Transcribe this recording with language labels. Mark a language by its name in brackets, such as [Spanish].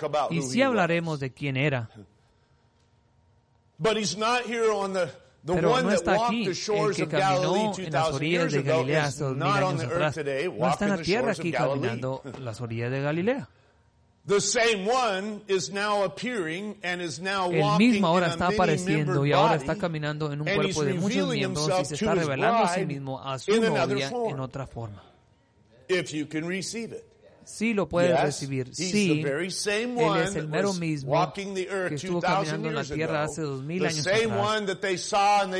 [Spanish] Y sí hablaremos de quién era. Pero no está aquí. El que caminó en las orillas de Galilea hace 2,000 años atrás no está en la tierra aquí caminando las orillas de Galilea. [English] The same one is now appearing and is now walking. [Spanish] El mismo ahora está apareciendo y ahora está caminando en un cuerpo de muchos miembros, y se está revelando a sí mismo a su novia en otra forma. [English] If you can receive it. [Spanish] Sí, lo puedes recibir. Sí, él es el mero mismo que estuvo caminando en la tierra hace 2,000 años atrás.